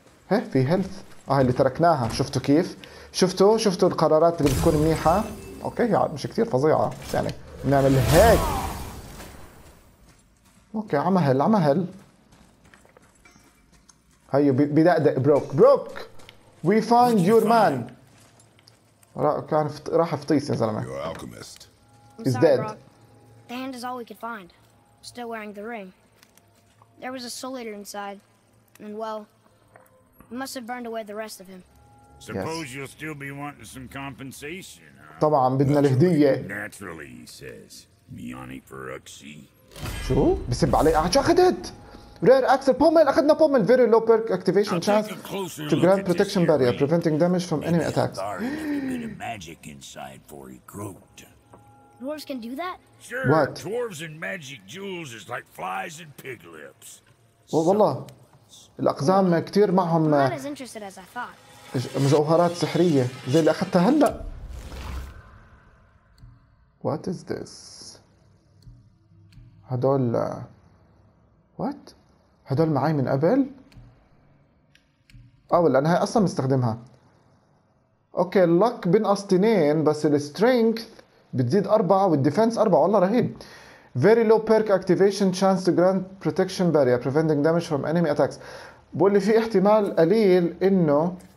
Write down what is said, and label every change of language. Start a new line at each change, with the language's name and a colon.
Arabic: هه في هيلث اه اللي تركناها شفتوا كيف شفتوا القرارات اللي بتكون منيحه اوكي يعني مش كثير فظيعه يعني نعمل هيك اوكي عمهل عمهل هيو بدأ بروك بروك
English: we find your man
Arabic: كان راح فطيس يا زلمة
English: your alchemist is dead the hand is all we could find still wearing the ring there was a soul leader inside and well it must have burned away the rest of him suppose you'll still be wanting some compensation
Arabic: طبعا بدنا الهدية
English: naturally he says Miani Peruxi
Arabic: شو بسب عليه عشان خدت
English: Rare Axel Pommel,
Arabic: أخذنا
English: Pommel, very low perk activation chance to grant protection barrier, way. Preventing damage from enemy attacks. A bit of magic inside for a groat. Dwarves can do that? Sure, what? Dwarves and magic jewels is like flies and pig lips.
Arabic: والله, الأقزام كتير معهم مجوهرات سحرية, زي اللي أخذتها هلأ.
English: What is this?
Arabic: هدول,
English: what?
Arabic: هدول معي من قبل؟ أو لأن هاي أصلا مستخدمها أوكي اللوك بنقص 2 بس السترينث بتزيد 4 والديفنس 4 والله رهيب
English: Very low perk activation chance to grant protection barrier preventing damage from enemy attacks
Arabic: بقول لي في احتمال قليل إنه